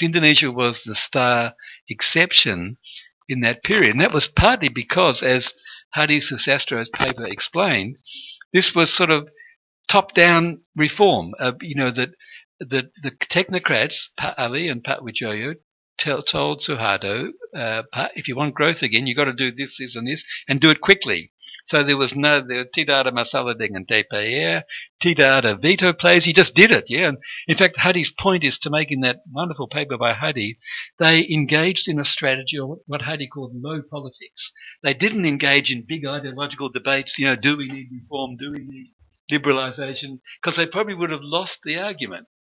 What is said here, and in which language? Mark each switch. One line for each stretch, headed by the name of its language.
English: Indonesia was the star exception in that period. And that was partly because, as Hadi Susastro's paper explained, this was sort of top-down reform. You know, that the technocrats, Pak Ali and Pak Wijoyo, told Suharto, if you want growth again, you've got to do this, this, and this, and do it quickly. So there was no,
Indonesian: tidak ada masalah dengan DPR, tidak ada veto plays.
English: He just did it, yeah. And in fact, Hadi's point is to make, in that wonderful paper by Hadi, they engaged in a strategy, or what Hadi called low politics. They didn't engage in big ideological debates, you know, do we need reform, do we need liberalization, because they probably would have lost the argument.